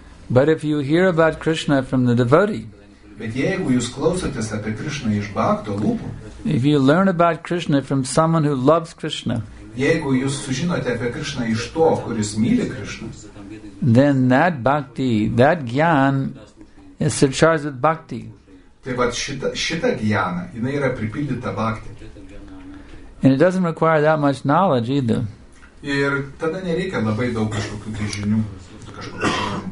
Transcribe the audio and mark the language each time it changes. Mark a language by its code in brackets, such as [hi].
[en] But if you hear about Krishna from the devotee, [lt] bet jeigu jūs klausotės apie Krishna iš bhakto lūpų, [en] if you learn about Krishna from someone who loves Krishna, [lt] jeigu jūs sužinote apie Krishna iš to, kuris myli Krishna, [en] then that bhakti, that gyan is surcharged with bhakti. [lt] Tai vat šita gyana, jinai yra pripildyta bhakti. [en] And it doesn't require that much knowledge either. [lt] Ir tada nereikia labai daug kažkokių tai žinių.